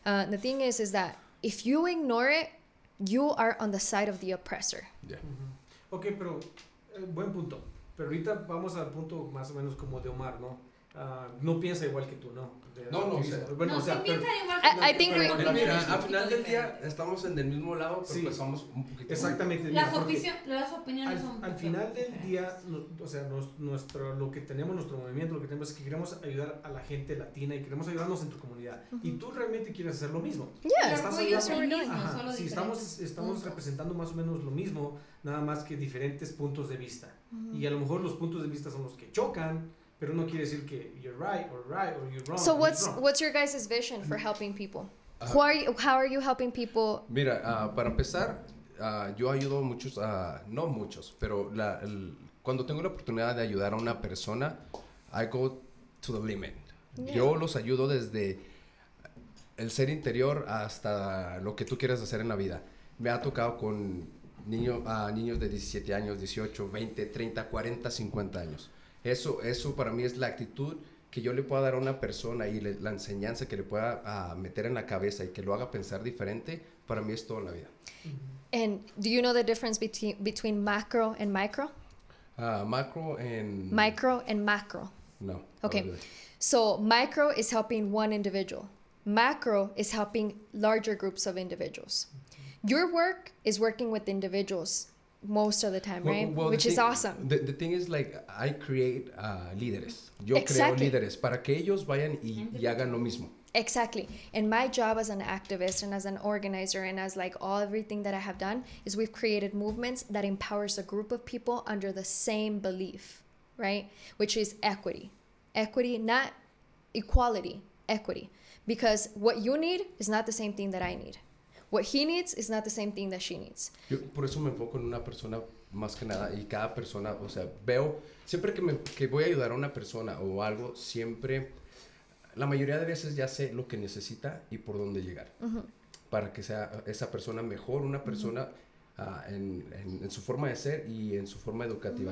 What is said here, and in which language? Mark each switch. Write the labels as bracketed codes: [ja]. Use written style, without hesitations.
[en] The thing is that if you ignore it, you are on the side of the oppressor. Yeah. [es] Mm-hmm. Okay, pero buen punto. Pero ahorita vamos al punto más o menos como de Omar, ¿no? No piensa igual que tú, ¿no? Mira, al final del día estamos en el mismo lado, pero sí, pensamos un poquito. Exactamente. Mira, las opiniones son... Al final del día, lo que tenemos, nuestro movimiento, lo que tenemos es que queremos ayudar a la gente latina y queremos ayudarnos en tu comunidad. Uh-huh. Y tú realmente quieres hacer lo mismo. Sí, estamos representando más o menos lo mismo, nada más que diferentes puntos de vista. Uh-huh. Y a lo mejor los puntos de vista son los que chocan, pero no quiere decir que you're right or you're wrong. [en] So what's your guys' vision for helping people? How are you helping people? [es] Mira, para empezar, yo ayudo muchos, no muchos, pero cuando tengo la oportunidad de ayudar a una persona, I go to the limit. Yeah. Yo los ayudo desde el ser interior hasta lo que tú quieras hacer en la vida. Me ha tocado con niños de 17 años, 18, 20, 30, 40, 50 años. Eso para mí es la actitud que yo le pueda dar a una persona y la enseñanza que le pueda meter en la cabeza y que lo haga pensar diferente, para mí es todo en la vida. [en] And do you know the difference between macro and micro? Micro and macro. No. Okay. So micro is helping one individual. Macro is helping larger groups of individuals. Your work is working with individuals most of the time, right? Well, which thing, is awesome. The thing is, like, I create leaders. [es] Yo creo líderes para que ellos vayan y hagan lo mismo. [en] Exactly. And my job as an activist and as an organizer and as, like, all everything that I have done is we've created movements that empowers a group of people under the same belief, right? Which is equity. Equity, not equality. Equity. Because what you need is not the same thing that I need. What he needs is not the same thing that she needs. [es] Yo por eso me enfoco en una persona más que nada y cada persona, o sea, veo, siempre que voy a ayudar a una persona o algo, siempre, la mayoría de veces ya sé lo que necesita y por dónde llegar. Uh-huh. Para que sea esa persona mejor, una persona uh-huh, en su forma de ser y en su forma educativa.